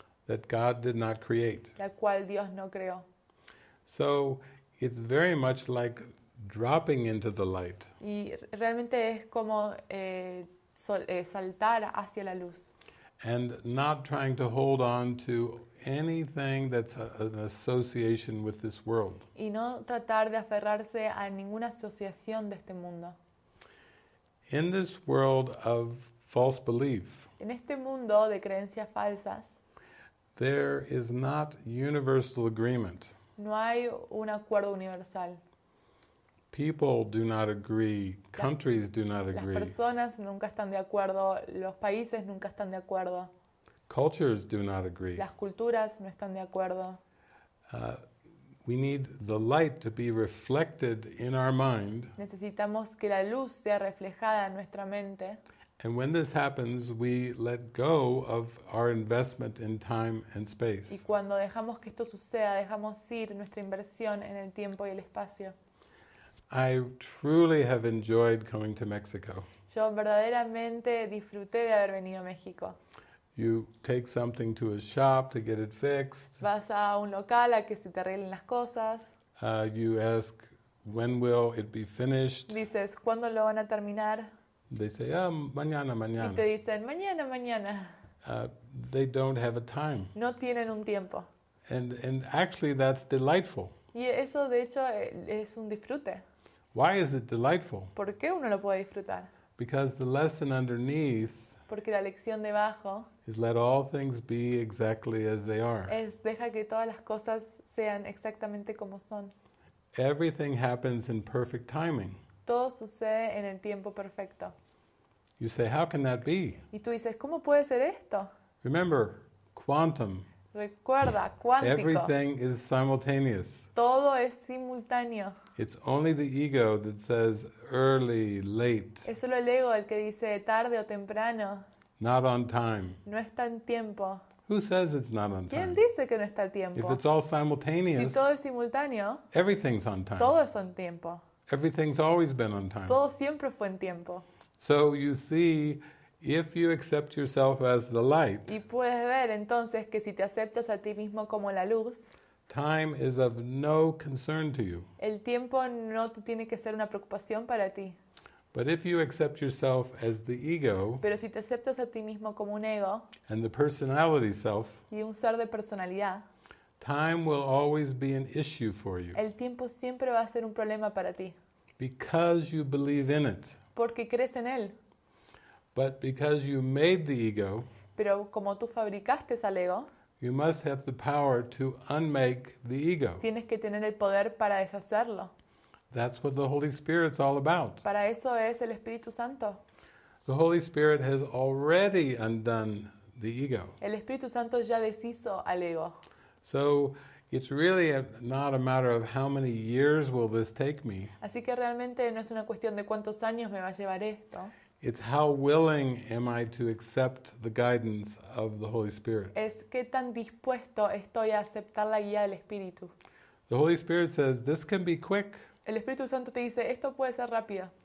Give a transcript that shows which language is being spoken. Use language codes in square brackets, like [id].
[en] That God did not create. [es] La cual Dios no creó. [en] So it's very much like dropping into the light. [es] Y realmente es como saltar hacia la luz. [en] And not trying to hold on to anything that's an association with this world. [es] Y no tratar de aferrarse a ninguna asociación de este mundo. [en] In this world of false belief. [es] En este mundo de creencias falsas. [en] There is not universal agreement. [es] No hay un acuerdo universal. [en] People do not agree. Countries do not agree. [es] Las personas nunca están de acuerdo. Los países nunca están de acuerdo. [en] Cultures do not agree. [es] Las culturas no están de acuerdo. [en] We need the light to be reflected in our mind. [es] Necesitamos que la luz sea reflejada en nuestra mente. [en] And when this happens, we let go of our investment in time and space. [es] Y cuando dejamos que esto suceda, dejamos ir nuestra inversión en el tiempo y el espacio. [en] I truly have enjoyed coming to Mexico. [es] Yo verdaderamente disfruté de haber venido a México. [en] You take something to a shop to get it fixed. [es] Vas a un local a que se te arreglen las cosas. [en] You ask, when will it be finished? [es] Dices, ¿cuándo lo van a terminar? [en] They say, ah, [es] mañana, mañana. Y te dicen, mañana, mañana. [en] They don't have a time. [es] No tienen un tiempo. [en] And actually, that's delightful. [es] Y eso, de hecho, es un disfrute. [en] Why is it delightful? [es] ¿Por qué uno lo puede disfrutar? [en] Because the lesson underneath. [es] Porque la lección debajo. [en] Is let all things be exactly as they are. [es] Es deja que todas las cosas sean exactamente como son. [en] Everything happens in perfect timing. [es] Todo sucede en el tiempo perfecto. [en] You say, how can that be? [es] Y tú dices, ¿cómo puede ser esto? [en] Remember, quantum. [es] Recuerda, cuántico. [en] Everything is simultaneous. [es] Todo es simultáneo. [en] It's only the ego that says early, late. [es] Es solo el ego el que dice tarde o temprano. [en] Not on time. [es] No está en tiempo. [en] Who says it's not on time? [es] ¿Quién dice que no está al tiempo? [en] If it's all simultaneous. [es] Si todo es simultáneo. [en] Everything's on time. [es] Todo es en tiempo. [en] Everything's always been on time. [es] Todo siempre fue en tiempo. [en] So you see, if you accept yourself as the light, [es] y puedes ver entonces que si te aceptas a ti mismo como la luz, [en] time is of no concern to you. [es] El tiempo no tiene que ser una preocupación para ti. [en] But if you accept yourself as the ego, [es] pero si te aceptas a ti mismo como un ego, [en] and the personality self, [es] y un ser de personalidad, [en] time will always be an issue for you. [es] El tiempo siempre va a ser un problema para ti. [en] Because you believe in it. [es] Porque crees en él. [en] But because you made the ego, [es] pero como tú fabricaste al ego, [en] you must have the power to unmake the ego. [es] Tienes que tener el poder para deshacerlo. [en] That's what the Holy Spirit's all about. [es] Para eso es el Espíritu Santo. [en] The Holy Spirit has already undone the ego. [es] El Espíritu Santo ya deshizo al ego. [en] So it's really not a matter of how many years will this take me. [es] Así que realmente no es una cuestión de cuántos años me va a llevar esto. [en] It's how willing am I to accept the guidance of the Holy Spirit. [es] Es qué tan dispuesto estoy a aceptar la guía del Espíritu. [en] The Holy Spirit says this can be quick. [es] El Espíritu Santo te dice esto puede ser rápido.